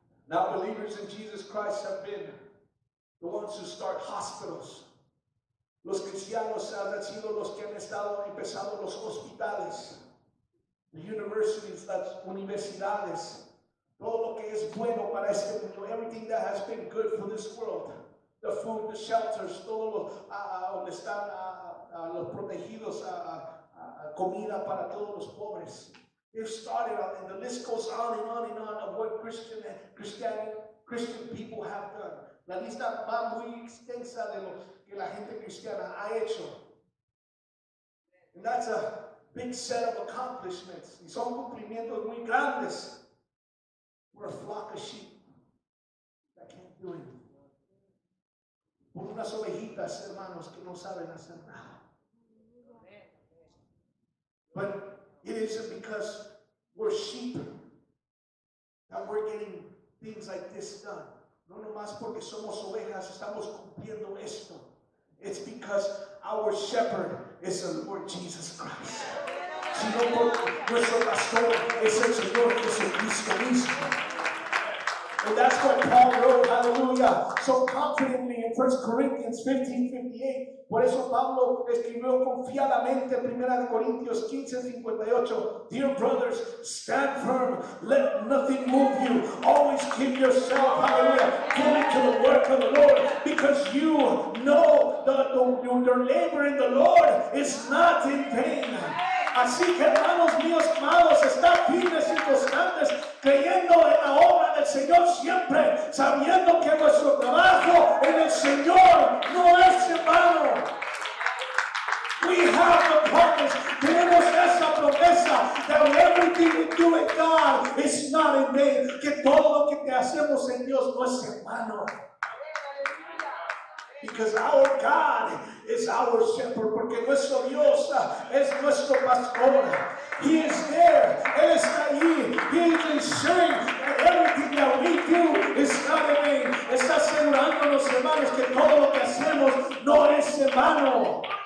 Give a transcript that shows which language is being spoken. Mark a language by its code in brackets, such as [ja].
[en] Now believers in Jesus Christ have been the ones who start hospitals. [es] Los cristianos han sido los que han estado empezando los hospitales. [en] The universities, [es] las universidades, todo lo que es bueno para este mundo, [en] everything that has been good for this world, the food, the shelters, [es] todo lo donde están los protegidos, comida para todos los pobres. [en] They've started on, and the list goes on and on and on of what Christian people have done. [es] La lista va muy extensa de lo que la gente cristiana ha hecho. [en] And that's a big set of accomplishments. [es] Y son cumplimientos muy grandes. [en] We're a flock of sheep that can't do it. [es] Por unas ovejitas, hermanos, que no saben hacer nada. [en] But it isn't because we're sheep that we're getting things like this done. [es] No nomás porque somos ovejas, estamos cumpliendo esto. [en] It's because our shepherd is the Lord Jesus Christ. [es] Sino porque nuestro pastor es el Señor Jesucristo mismo. [en] And that's what Paul wrote, hallelujah, so confidently in 1 Corinthians 15:58. [es] Por eso Pablo escribió confiadamente en 1 Corintios 15:58. [en] Dear brothers, stand firm. Let nothing move you. Always keep yourself, hallelujah, committed to the work of the Lord, because you know your labor in the Lord is not in vain. [es] Así que hermanos míos amados, está firmes y constantes, creyendo en la obra del Señor siempre, sabiendo que nuestro trabajo en el Señor no es en vano. [en] We have the promise, [es] tenemos esa promesa, [en] that everything we do in God is not in vain, [es] que todo lo que te hacemos en Dios no es en vano. [en] Because our God is our shepherd. [es] Porque nuestro Dios es nuestro pastor. [en] He is there. [es] Él está ahí. [en] He is ensuring that everything that we do is not in vain. [es] Está asegurando a los hermanos que todo lo que hacemos no es en vano.